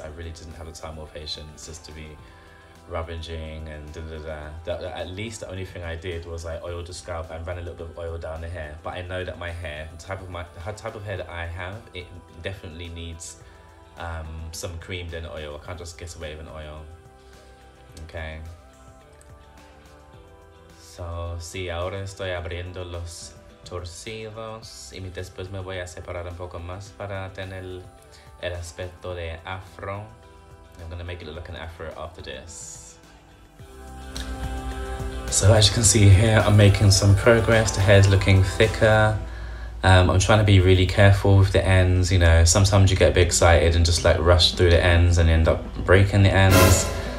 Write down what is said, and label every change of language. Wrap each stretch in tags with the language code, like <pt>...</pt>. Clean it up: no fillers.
<en>I really didn't have the time or patience just to be ravaging and da da da. At least the only thing I did was I oiled the scalp and ran a little bit of oil down the hair. But I know that my hair, the type of hair that I have, it definitely needs some cream then oil. I can't just get away with an oil. Okay.</en> <es>So, sí, ahora estoy abriendo los torcidos y después me voy a separar un poco más para tener el aspecto de afro.</es> <en>I'm gonna make it look like an afro after this. So as you can see here, I'm making some progress. The hair is looking thicker. I'm trying to be really careful with the ends. You know, sometimes you get a bit excited and just like rush through the ends and end up breaking the ends.</en>